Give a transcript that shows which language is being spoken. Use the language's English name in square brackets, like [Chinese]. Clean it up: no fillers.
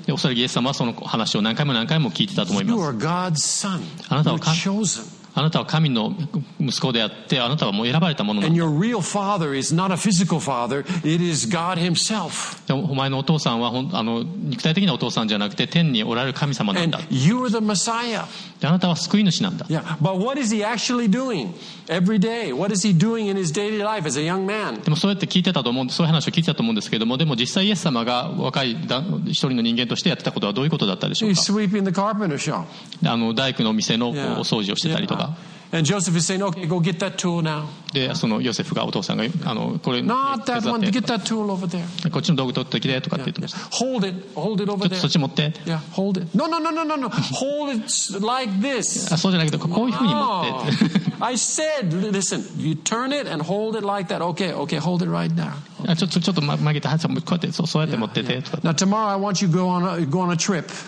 [Japanese] で、おそらくイエス様はその話を何回も何回も聞いてたと思います。 [English] You are God's son. [Japanese] あなたは神。 [English] You're chosen. [Japanese] あなたは神の息子であってあなたはもう選ばれたものなんだ。 [English] And your real father is not a physical father, it is God himself. [Japanese] お前のお父さんは肉体的なお父さんじゃなくて天におられる神様なんだ。 [English] And you are the Messiah. [Japanese] あなたは救い主なんだ。 [English] Yeah, but what is he actually doing every day? What is he doing in his daily life as a young man? [Japanese] でもそうやって聞いてたと思うんで、そういう話を聞いてたと思うんですけども、でも実際イエス様が若い一人の人間としてやってたことはどういうことだったでしょうか。 [English] He's sweeping the carpenter shop. [Japanese] 大工のお店のお掃除をしてたりとか。 [English] Yeah. Yeah. And Joseph is saying, "Okay, go get that tool now." [Japanese] で、そのヨセフがお父さんがこれ手伝って。 [English] Not that one. Get that tool over there. [Japanese] こっちの道具取ってきてとかって言ってました。 [English] Hold it. Hold it over there. [Japanese] ちょっとそっち持って。 [English] Yeah. Hold it. No, no, no, no, no, no. Hold it like this. [Japanese] そうじゃなくてこういうふうに持って。 [English] Oh, I said, listen. You turn it and hold it like that. Okay, okay. Hold it right now. Okay. [Japanese] ちょっと曲げて、こうやってそうやって持ってて、とか。 [English] Now tomorrow, I want you go on a trip.